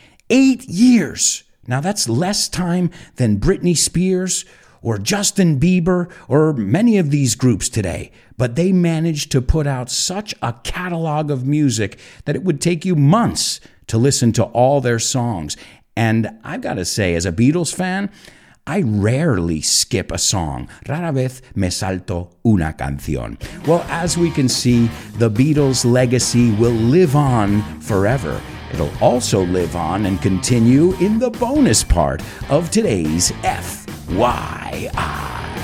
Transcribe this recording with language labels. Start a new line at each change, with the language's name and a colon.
English: 8 years! Now that's less time than Britney Spears or Justin Bieber or many of these groups today, but they managed to put out such a catalog of music that it would take you months to listen to all their songs. And I've got to say, as a Beatles fan, I rarely skip a song.
Spanish: Rara vez me salto una canción.
English: Well, as we can see, the Beatles' legacy will live on forever. It'll also live on and continue in the bonus part of today's FYI.